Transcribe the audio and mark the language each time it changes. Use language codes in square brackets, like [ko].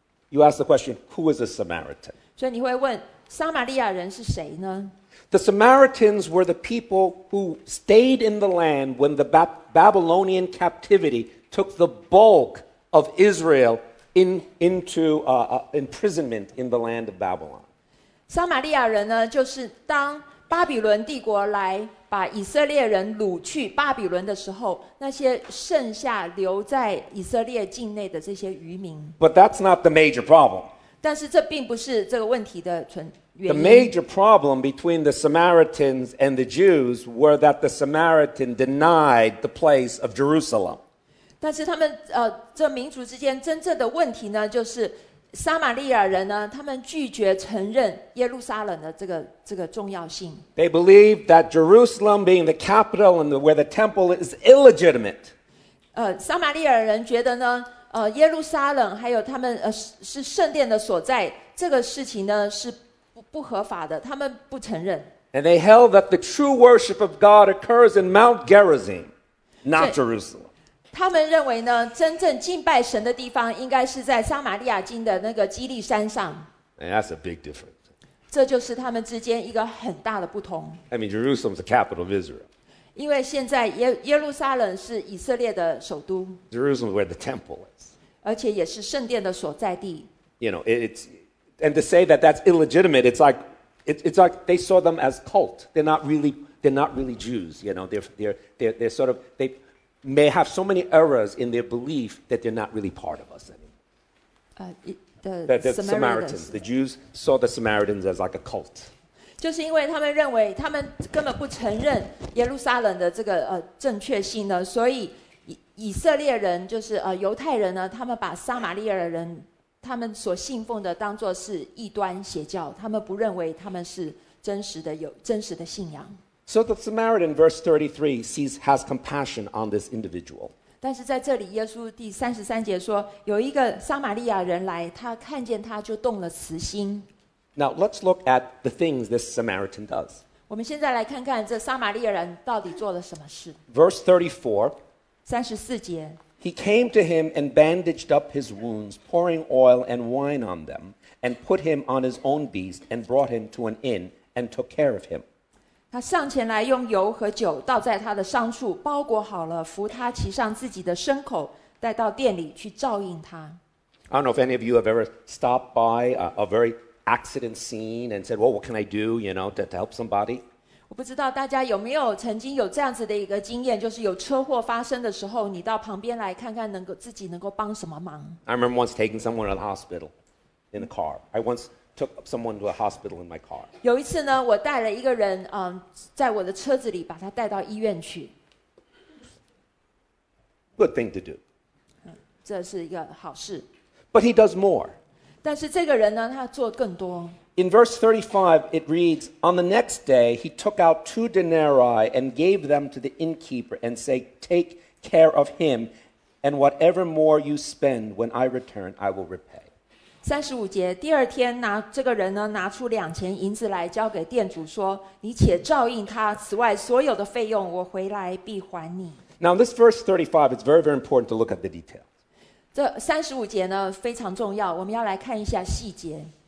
[en] You ask the question, who is a Samaritan? [zh] 所以你会问，撒玛利亚人是谁呢？ [en] The Samaritans were the people who stayed in the land when the Babylonian captivity took the bulk of Israel imprisonment in the land of Babylon. [zh] 撒玛利亚人呢，就是当巴比伦帝国来把以色列人掳去巴比伦的时候，那些剩下留在以色列境内的这些渔民。 [en] But that's not the major problem. [zh] 但是这并不是这个问题的原因。 [en] The major problem between the Samaritans and the Jews were that the Samaritan denied the place of Jerusalem. [zh] 但是他们这民族之间真正的问题呢，就是撒玛利亚人呢，他们拒绝承认耶路撒冷的这个重要性。 [en] They believe that Jerusalem being the capital and where the temple is illegitimate. [zh] 撒玛利亚人觉得呢，耶路撒冷还有他们是圣殿的所在，这个事情呢是不合法的，他们不承认。 [en] And they held that the true worship of God occurs in Mount Gerizim, not Jerusalem. [zh] 他们认为呢，真正敬拜神的地方应该是在撒玛利亚境的那个基利山上。 [en] And that's a big difference. [zh] 这就是他们之间一个很大的不同。 [en] I mean, Jerusalem is the capital of Israel. [zh] 因为现在耶路撒冷是以色列的首都。 [en] Jerusalem is where the temple is. [zh] 而且也是圣殿的所在地。 [en] You know, and to say that that's illegitimate, it's like they saw them as cult. They're not really Jews. You know, they're sort of they. May have so many errors in their belief that they're not really part of us anymore. The Samaritans, the Jews saw the Samaritans as like a cult. [zh] 就是因为他们认为他们根本不承认耶路撒冷的这个正确性呢，所以以色列人就是犹太人呢，他们把撒玛利亚人他们所信奉的当作是异端邪教，他们不认为他们是真实的信仰。 [en] So the Samaritan, verse 33, sees, has compassion on this individual. [zh] 但是在这里，耶稣第三十三节说，有一个撒玛利亚人来，他看见他就动了慈心。 [en] Now let's look at the things this Samaritan does. [zh] 我们现在来看看这撒玛利亚人到底做了什么事。 [en] Verse 34. [zh] 三十四节。 [en] He came to him and bandaged up his wounds, pouring oil and wine on them, and put him on his own beast and brought him to an inn and took care of him. [zh] 他上前来用油和酒倒在他的伤处，包裹好了，扶他骑上自己的牲口，带到店里去照应他。 [en] I don't know if any of you have ever stopped by a very accident scene and said, "Well, what can I do, you know, to help somebody?" [zh] 我不知道大家有没有曾经有这样子的一个经验，就是有车祸发生的时候，你到旁边来看看，能够自己能够帮什么忙。 [en] I remember once taking someone to the hospital in a car. I once took someone to a hospital in my car. [zh] 有一次呢，我带了一个人，在我的车子里把他带到医院去。 [en] Good thing to do. [zh] 这是一个好事。 [en] But he does more. [zh] 但是这个人呢，他做更多。 [en] In verse 35, it reads, On the next day, he took out 2 denarii and gave them to the innkeeper and said, Take care of him, and whatever more you spend when I return, I will repay. [zh] 35节，第二天拿这个人呢，拿出2000银子来交给店主说，你且照应他，此外所有的费用我回来必还你。 [en] Now, this verse 35, it's very, very important to look at the details. [zh] 这三十五节呢非常重要，我们要来看一下细节。